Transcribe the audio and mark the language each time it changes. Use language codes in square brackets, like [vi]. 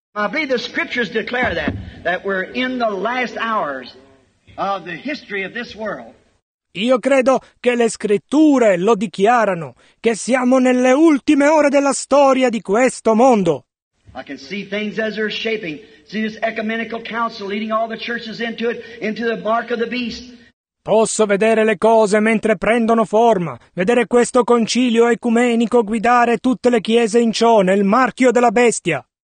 [en] I believe the scriptures declare that we're in the last hours of the history of this world. [it] Io credo che le scritture lo dichiarano, che siamo nelle ultime ore della storia di questo mondo. [en] I can see things as they're shaping. See this ecumenical council leading all the churches into it, into the mark of the beast. [it] Posso vedere le cose mentre prendono forma, vedere questo concilio ecumenico guidare tutte le chiese in ciò, nel marchio della bestia.